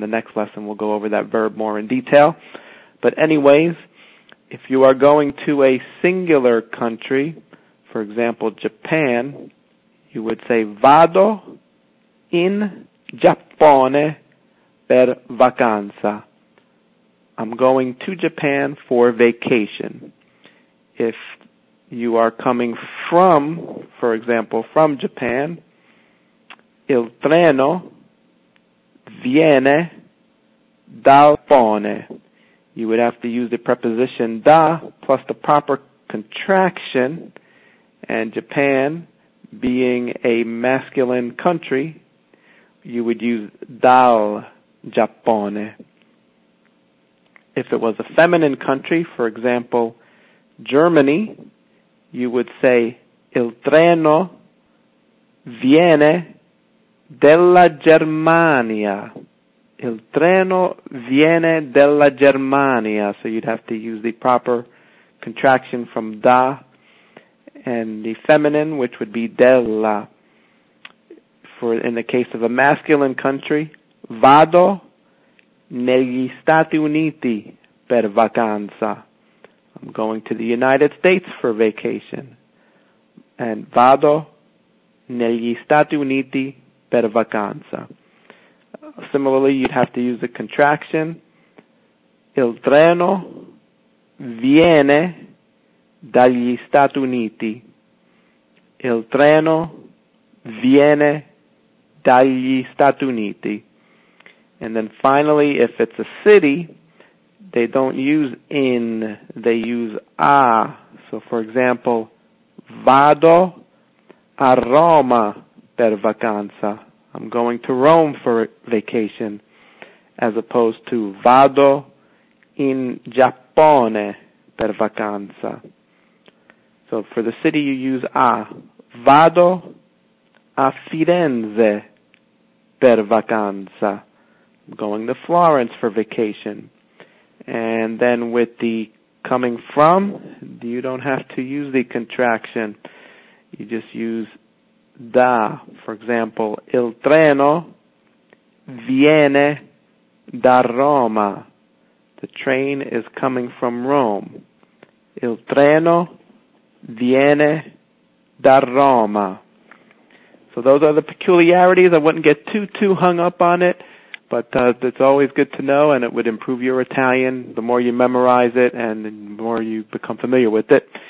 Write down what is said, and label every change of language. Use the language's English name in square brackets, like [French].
[English] The next lesson we'll go over that verb more in detail. But anyways, if you are going to a singular country, for example, Japan, you would say, [Italian] vado in Giappone per vacanza. [English] I'm going to Japan for vacation. If you are coming from, for example, from Japan, [Italian] il treno viene dal Giappone. [English] You would have to use the preposition da plus the proper contraction, and Japan being a masculine country, you would use dal Giappone. If it was a feminine country, for example, Germany, you would say [Italian] il treno viene della Germania. Il treno viene della Germania. [English] So you'd have to use the proper contraction from da and the feminine, which would be della. For in the case of a masculine country, [Italian] vado negli Stati Uniti per vacanza. [English] I'm going to the United States for vacation. [Italian] And vado negli Stati Uniti per vacanza. [English] Similarly, you'd have to use the contraction. [Italian] Il treno viene dagli Stati Uniti. Il treno viene dagli Stati Uniti. [English] And then finally, if it's a city, they don't use in, they use a. So for example, [Italian] vado a Roma per vacanza. [English] I'm going to Rome for vacation, as opposed to [Italian] vado in Giappone per vacanza. [English] So for the city you use a. [Italian] Vado a Firenze per vacanza. [English] I'm going to Florence for vacation. And then with the coming from, you don't have to use the contraction. You just use da. For example, [Italian] il treno viene da Roma. [English] The train is coming from Rome. [Italian] Il treno viene da Roma. [English] So those are the peculiarities. I wouldn't get too hung up on it, but it's always good to know, and it would improve your Italian the more you memorize it and the more you become familiar with it.